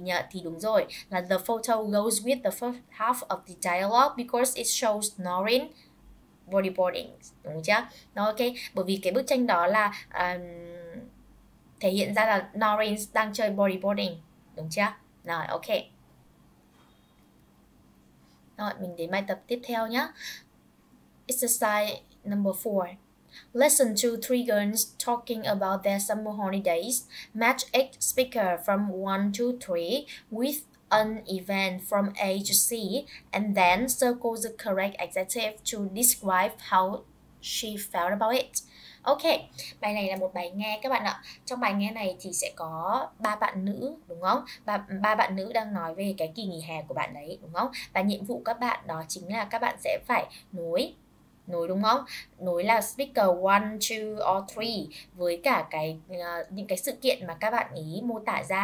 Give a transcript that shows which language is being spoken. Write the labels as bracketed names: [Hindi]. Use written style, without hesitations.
[Vietnamese] Thì đúng rồi, là [English] the photo goes with the first half of the dialogue because it shows Norin bodyboarding, [Vietnamese] đúng chưa? Nó ok, bởi vì cái bức tranh đó là thể hiện ra là Norin đang chơi bodyboarding, đúng chưa? Rồi, ok. Rồi, mình đến bài tập tiếp theo nhé. [English] Exercise number 4. Listen to three girls talking about their summer holidays. Match 8 speakers from 1 to 3 with an event from A to C and then circle the correct adjective to describe how she felt about it. [Vietnamese] Ok, bài này là một bài nghe các bạn ạ. Trong bài nghe này thì sẽ có ba bạn nữ, đúng không? Ba bạn nữ đang nói về cái kỳ nghỉ hè của bạn ấy, đúng không? Và nhiệm vụ các bạn đó chính là các bạn sẽ phải nối đúng không? Nối là speaker 1, 2 or 3 với cả cái những cái sự kiện mà các bạn ý mô tả ra.